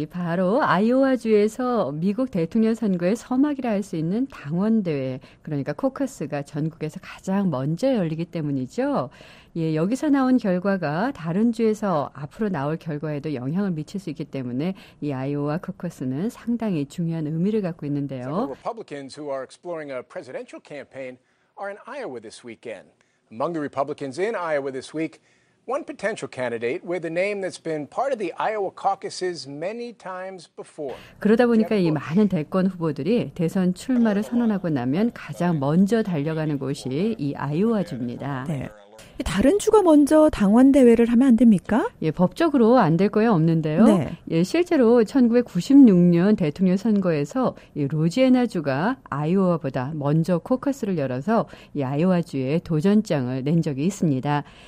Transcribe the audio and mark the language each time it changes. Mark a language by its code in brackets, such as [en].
[ko] 바로 아이오와주에서 미국 대통령 선거의 서막이라 할 수 있는 당원대회, 그러니까 코커스가 전국에서 가장 먼저 열리기 때문이죠. 예, 여기서 나온 결과가 다른 주에서 앞으로 나올 결과에도 영향을 미칠 수 있기 때문에 이 아이오와 코커스는 상당히 중요한 의미를 갖고 있는데요. [en] Republicans who are exploring a presidential campaign are in Iowa this weekend. Among the Republicans in Iowa this week, one potential candidate with a name that's been part of the Iowa caucuses many times before. [ko] 그러다 보니까 이 많은 대권 후보들이 대선 출마를 선언하고 나면 가장 먼저 달려가는 곳이 이 아이오와주입니다. 네. 다른 주가 먼저 당원대회를 하면 안 됩니까? 예, 법적으로 안 될 거야 없는데요. 네. 예, 실제로 1996년 대통령 선거에서 이 로지애나주가 아이오와보다 먼저 코커스를 열어서 이 아이오와주에 도전장을 낸 적이 있습니다.